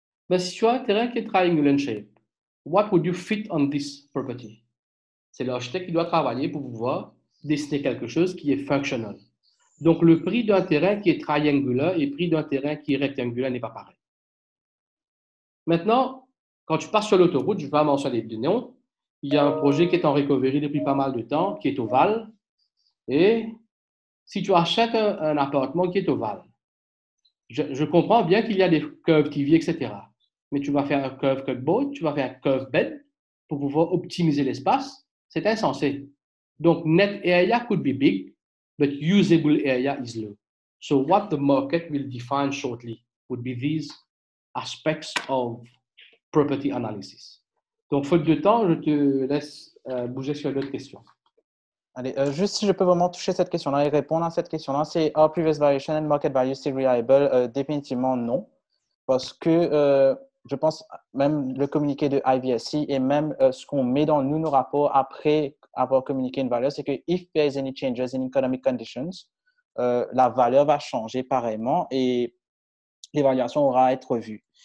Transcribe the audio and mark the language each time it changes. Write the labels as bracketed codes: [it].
[fr] Mais si tu as un terrain qui est [en] triangular shape, what would you fit on this property? [fr] C'est l'architecte qui doit travailler pour pouvoir dessiner quelque chose qui est functional. Donc, le prix d'un terrain qui est triangular et le prix d'un terrain qui est rectangulaire n'est pas pareil. Maintenant, quand tu pars sur l'autoroute, je vais mentionner deux noms. Il y a un projet qui est en recovery depuis pas mal de temps, qui est ovale. Et si tu achètes un appartement qui est ovale, je comprends bien qu'il y a des curves qui vivent, etc. Mais tu vas faire un [en] curve cutboard, [fr] tu vas faire un [en] curve bed [fr] pour pouvoir optimiser l'espace. C'est insensé. Donc, [en] net area could be big, but usable area is low. So what the market will define shortly would be these aspects of property analysis. [fr] Donc, faute de temps, je te laisse bouger sur d'autres questions. Allez, juste si je peux vraiment toucher cette question-là et répondre à cette question-là, c'est « [en] Are previous variation and market value still reliable [fr] ?» Définitivement, non. Parce que je pense même le communiqué de IVSC et même ce qu'on met dans nous, nos rapports après avoir communiqué une valeur, c'est que « [en] If there is any changes in economic conditions [fr] », la valeur va changer pareillement et l'évaluation aura à être vue.